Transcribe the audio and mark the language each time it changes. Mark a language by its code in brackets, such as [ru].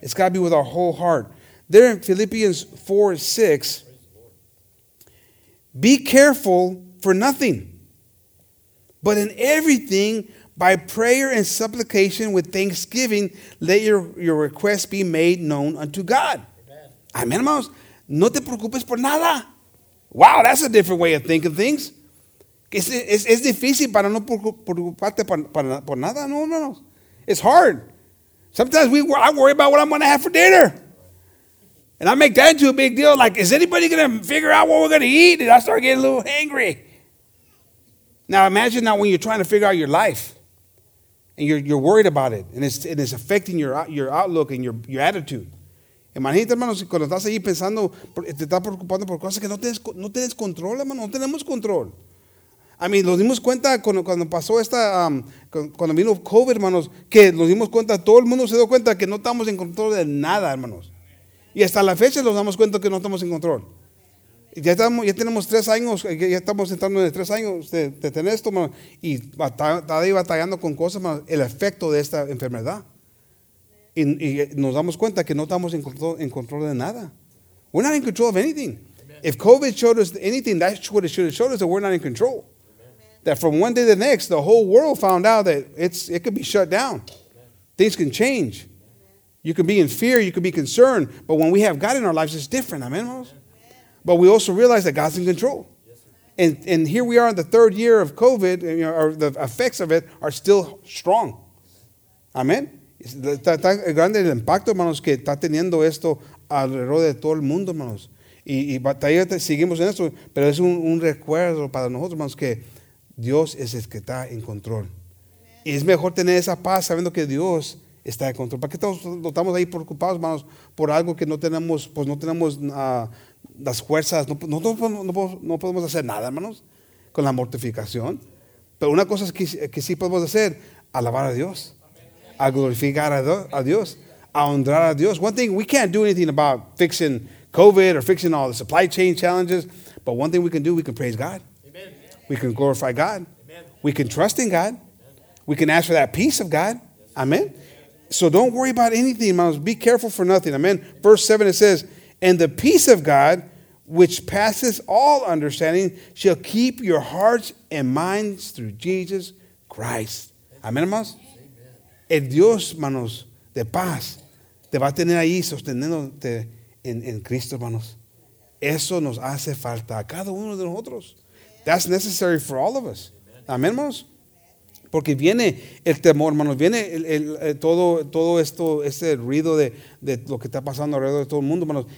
[en] It's got to be with our whole heart. There in Philippians 4:6, be careful for nothing, but in everything, by prayer and supplication with thanksgiving, let your requests be made known unto God. Amen. Amen, hermanos. [es] No te preocupes por nada. [en] Wow, that's a different way of thinking things. [es] Es difícil para no preocuparte por nada, no, no, no. [en] It's hard. Sometimes I worry about what I'm going to have for dinner. And I make that into a big deal. Like, is anybody going to figure out what we're going to eat? And I start getting a little angry. Now, imagine that when you're trying to figure out your life and you're worried about it and it's affecting your outlook and your attitude. [es] Imagínate, hermanos, cuando estás ahí pensando, te estás preocupando por cosas que no tienes control, hermano. No tenemos control. [en] I mean, [es] nos dimos cuenta cuando pasó esta, cuando vino COVID, hermanos, que nos dimos cuenta, todo el mundo se dio cuenta que no estamos en control de nada, hermanos. Y hasta la fecha nos damos cuenta que no estamos en control. Ya tenemos 3 años, ya estamos entrando en 3 años de tener esto, hermanos, y está ahí batallando con cosas, hermanos, el efecto de esta enfermedad. Y nos damos cuenta que no estamos en control de nada. [en] We're not in control of anything. Amen. If COVID showed us anything, that's what it should have showed us, that we're not in control. That from one day to the next, the whole world found out that it could be shut down. Amen. Things can change. Amen. You can be in fear. You can be concerned. But when we have God in our lives, it's different. Amen, hermanos? But we also realize that God's in control. Yes, sir. And here we are in the third year of COVID, you know, or the effects of it are still strong. Amen? [es] grande el impacto, hermanos, que está teniendo esto alrededor de todo el mundo, hermanos. Y todavía seguimos en esto, pero es un recuerdo para nosotros, hermanos, que Dios es el que está en control. Y es mejor tener esa paz sabiendo que Dios está en control. ¿Para qué estamos ahí preocupados, hermanos, por algo que no tenemos, pues no tenemos las fuerzas? No podemos hacer nada, hermanos, con la mortificación. Pero una cosa que sí podemos hacer, alabar a Dios, a glorificar a Dios, a honrar a Dios. [en] One thing, we can't do anything about fixing COVID or fixing all the supply chain challenges, but one thing we can do, we can praise God. Amen. We can glorify God. Amen. We can trust in God. Amen. We can ask for that peace of God. Yes. Amen. Amen. So don't worry about anything, hermanos. Be careful for nothing. Amen. Verse 7, it says, and the peace of God, which passes all understanding, shall keep your hearts and minds through Jesus Christ. Amen, hermanos. [es] El Dios, hermanos, de paz, te va a tener ahí sosteniéndote en Cristo, hermanos. Eso nos hace falta a cada uno de nosotros. [en] That's necessary for all of us. [es] Amén, hermanos. Porque viene el temor, hermanos. Viene todo esto, este ruido de lo que está pasando alrededor de todo el mundo, hermanos.